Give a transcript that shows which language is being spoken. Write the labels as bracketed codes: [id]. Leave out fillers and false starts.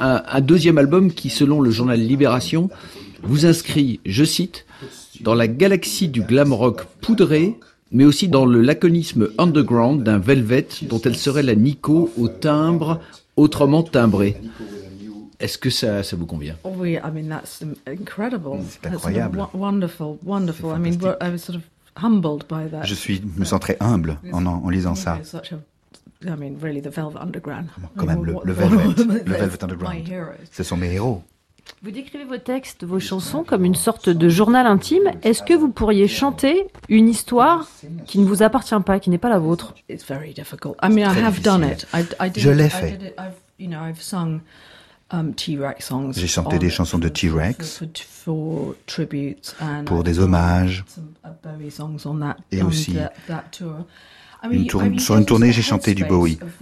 [fr] Un deuxième album qui, selon le journal Libération, vous inscrit, je cite, dans la galaxie du glam rock poudré, mais aussi dans le laconisme underground d'un Velvet dont elle serait la Nico au timbre autrement timbré. Est-ce que ça vous convient? [en] Oui, I mean that's incredible. [fr] C'est incroyable. [en] That's wonderful, wonderful. I mean, I was sort of humbled by that. [fr] Me sens très humble en lisant ça. [en] I mean, really, the Velvet Underground. [fr] Quand même, le Velvet, le Velvet Underground. Ce sont mes héros. Vous décrivez vos textes, vos chansons comme une sorte de journal intime. Est-ce que vous pourriez chanter une histoire qui ne vous appartient pas, qui n'est pas la vôtre? [en] It's very difficult. I mean, I have done it. [fr] Je l'ai fait. [en] You know, I've sung T-Rex songs. [fr] J'ai chanté des chansons de T-Rex [en] for tributes and [fr] pour des hommages. [en] Bowie songs on that, [fr] et aussi [en] that tour. [fr] Sur une tournée, j'ai chanté du Bowie.